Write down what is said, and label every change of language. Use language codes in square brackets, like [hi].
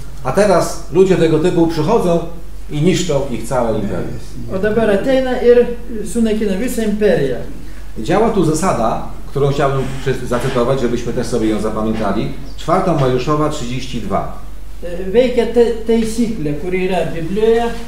[pl] A teraz ludzie tego typu przychodzą i niszczą ich całe imperium. [lt] O dabar ateina ir sunaikina visą imperiją. [pl] Działa tu zasada, którą chciałbym zacytować, żebyśmy też sobie ją zapamiętali. 4 Mojżeszowa 32. [lt] Veikia taisyklė, kuri yra Biblijoje.